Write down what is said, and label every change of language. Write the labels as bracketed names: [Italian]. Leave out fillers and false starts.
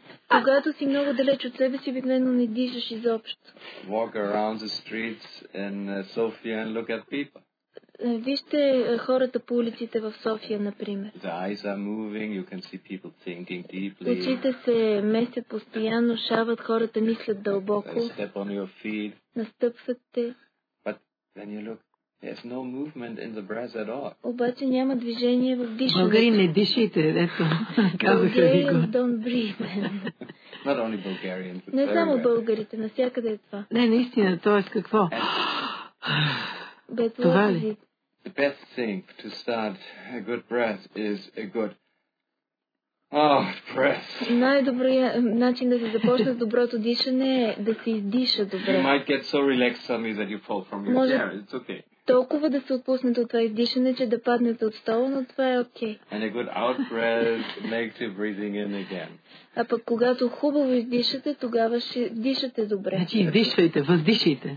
[Bulgarian] Когато си много далеч от себе си, обикновено не дишаш изобщо. [English] Walk around the streets in Sofia and look at people. [Bulgarian] Вижте хората по улиците в София, например. [English] The eyes are moving, you can see people thinking deeply. [Bulgarian] Очите се местят постоянно, шават, хората мислят дълбоко. [English] Step on your feet. [Bulgarian] Настъпват те. [English] But when you look, there's no movement in the breath at all. [Bulgarian] Обаче няма движение в дишането. Българи, не дишайте, ето, казаха ви го. [English] Don't breathe. Not only Bulgarians. [Bulgarian] Не само българите, навсякъде е това. Не, наистина, т.е. какво? [English] But [Bulgarian] това ли? [English] The best thing to start a good breath is a good oh, breath. [Bulgarian] Най-добрият начин да се започне с доброто дишане е да се издиша добре. [English] You might get so relaxed suddenly that you fall from your chair. It's okay. [Bulgarian] Толкова да се отпуснете от това издишане, че да паднете от стола, но това е окей. [English] And a good out breath makes you breathing in again. [Bulgarian] А пък когато хубаво издишате, тогава ще дишате добре. Значи издишвайте, въздишайте.